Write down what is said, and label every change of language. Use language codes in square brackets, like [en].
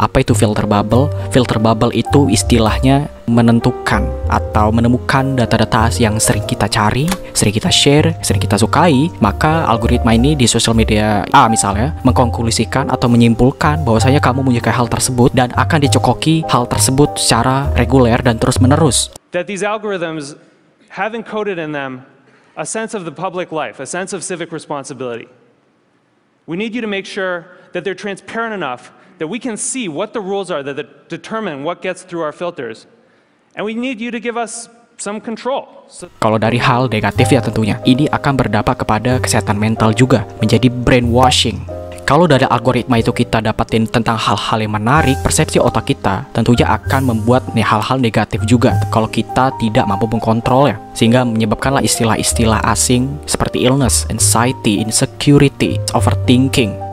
[id] Apa itu filter bubble? Filter bubble itu istilahnya menentukan atau menemukan data-data yang sering kita cari, sering kita share, sering kita sukai. Maka algoritma ini di social media A misalnya mengkonklusikan atau menyimpulkan bahwasanya kamu menyukai hal tersebut dan akan dicokoki hal tersebut secara reguler dan terus-menerus. [en] That these algorithms have encoded in them a sense of the public life, a sense of civic responsibility. We need you to make sure that they're transparent enough that we can see what the rules are that determine what gets through our filters. And we need you to give us some control. [id] Kalau dari hal negatif ya tentunya, ini akan berdampak kepada kesehatan mental juga, menjadi brainwashing. Kalau dari algoritma itu kita dapatin tentang hal-hal yang menarik, persepsi otak kita tentunya akan membuat nih hal-hal negatif juga kalau kita tidak mampu mengkontrolnya. Sehingga menyebabkanlah istilah-istilah asing seperti illness, anxiety, insecurity, overthinking.